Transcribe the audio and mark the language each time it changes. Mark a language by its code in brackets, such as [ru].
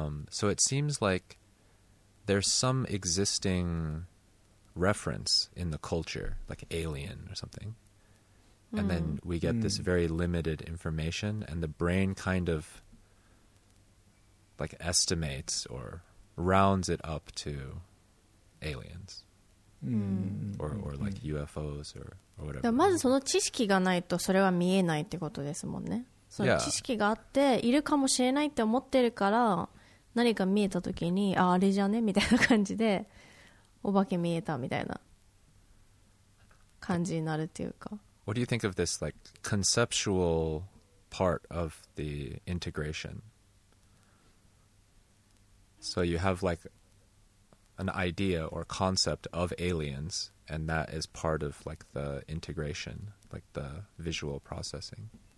[en] So it seems like there's some existing reference in the culture, like alien or something. And then we get this very limited information, and the brain kind of like estimates or rounds it up to aliens or like UFOs or whatever. [ja] まずその知識がないとそれは見えないってことですもんね。その知識があっているかもしれないって思ってるから、何か見えた時に あれじゃねみたいな感じでお化け見えたみたいな感じになるっていうか。 [en] What do you think of this like conceptual part of the integration? So you have like an idea or concept of aliens, and that is part of like the integration, like the visual processing.